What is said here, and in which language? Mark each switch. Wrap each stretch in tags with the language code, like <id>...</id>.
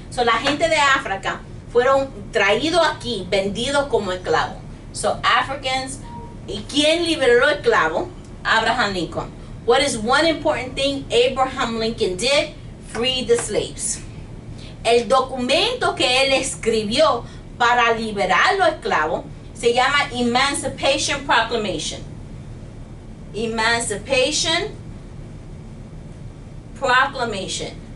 <es>So la gente de África fueron traídos aquí, vendidos como esclavo.</es> <en>So Africans,</en> <es>¿y quién liberó el esclavo? Abraham Lincoln.</es> <en>What is one important thing Abraham Lincoln did? Free the slaves.</en> <es>El documento que él escribió para liberar los esclavos se llama Emancipation Proclamation.</es> <en>Emancipation Proclamation.</en>